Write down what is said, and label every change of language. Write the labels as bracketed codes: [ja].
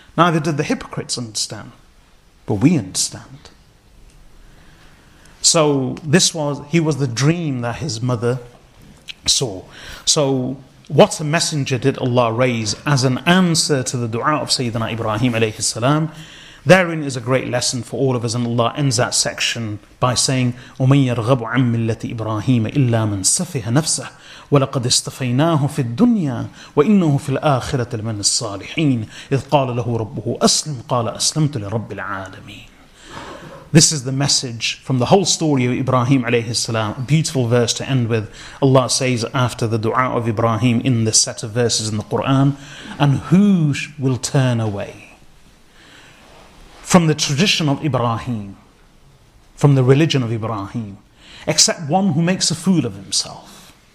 [en] Neither did the hypocrites understand. But we understand. So he was the dream that his mother saw. So what a messenger did Allah raise as an answer to the dua of Sayyidina Ibrahim alayhi salam. Therein is a great lesson for all of us, and Allah ends that section by saying, [ar] وَمَنْ يَرْغَبُ عَنْ مِلَّةِ إِبْرَاهِيمَ إِلَّا مَنْ سَفِهَ نَفْسَهُ وَلَقَدْ اصْطَفَيْنَاهُ فِي الدُّنْيَا وَإِنَّهُ فِي الْآخِرَةِ لَمِنَ الصَّالِحِينَ إِذْ قَالَ لَهُ رَبُّهُ أَسْلِمْ قَالَ أَسْلَمْتُ لِرَبِّ الْعَالَمِينَ. [en] This is the message from the whole story of Ibrahim alayhi salam. A beautiful verse to end with. Allah says after the dua of Ibrahim in this set of verses in the Quran, and who will turn away from the tradition of Ibrahim, from the religion of Ibrahim, except one who makes a fool of himself?